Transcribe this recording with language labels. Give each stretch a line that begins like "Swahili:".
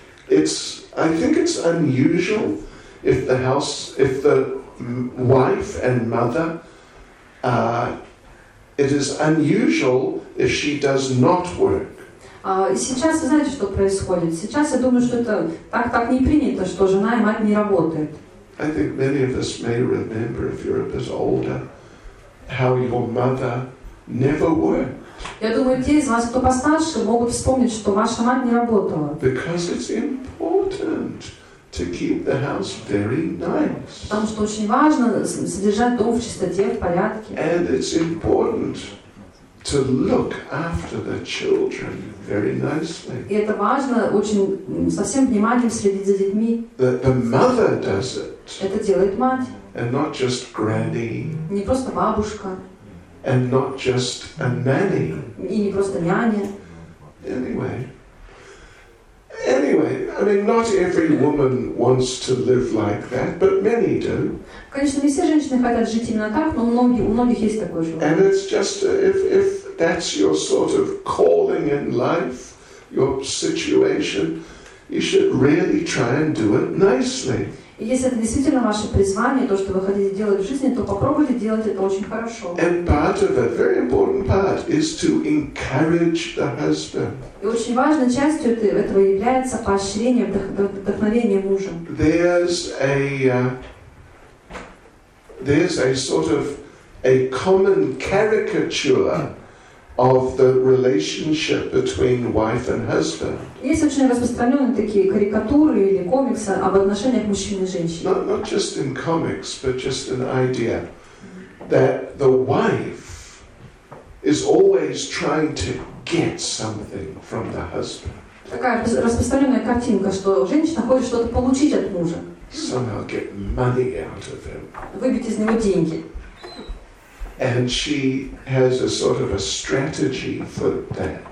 English: It's I think it's unusual if the house, if the wife and mother, it is unusual if she does not work.
Russian: И сейчас вы знаете, что происходит? Сейчас я думаю, что это так не принято, что жена и мать не работают.
English: I think many of us may remember if you're a bit older, how your mother never worked.
Russian: Я думаю, те из вас, кто постарше, могут вспомнить, что ваша мать не работала.
English: Because it's important to keep the house very nice.
Russian: Потому что очень важно содержать дом в чистоте, в порядке.
English: And it's important to look after the children very nicely.
Russian: И это важно очень со всем вниманием следить за детьми.
English: The mother does it.
Russian: Это делает мать.
English: And not just granny.
Russian: Не просто бабушка.
English: And not just a nanny.
Russian: И не просто няня.
English: Anyway, I mean, not every woman wants to live like that, but many do.
Russian: Конечно, не все женщины хотят жить именно так, но у многих есть такое желание.
English: And it's just if that's your sort of calling in life, your situation, you should really try and do it nicely.
Russian: Если это действительно ваше призвание, то, что вы хотите делать в жизни, то попробуйте делать это очень хорошо.
English: And part of it, very important part, is to encourage the husband.
Russian: И очень важной частью этого является поощрение, вдохновение мужа.
English: There's a sort of a common caricature of the relationship between wife and husband.
Russian: Есть очень распространенные такие карикатуры или комиксы об отношениях мужчины и женщины.
English: Not just in comics, but just an idea that the wife is always trying to get something from the husband.
Russian: Такая распространенная картинка, что женщина хочет что-то получить от мужа.
English: Somehow get money out of him.
Russian: Выбить из него деньги.
English: And she has a sort of a strategy for that.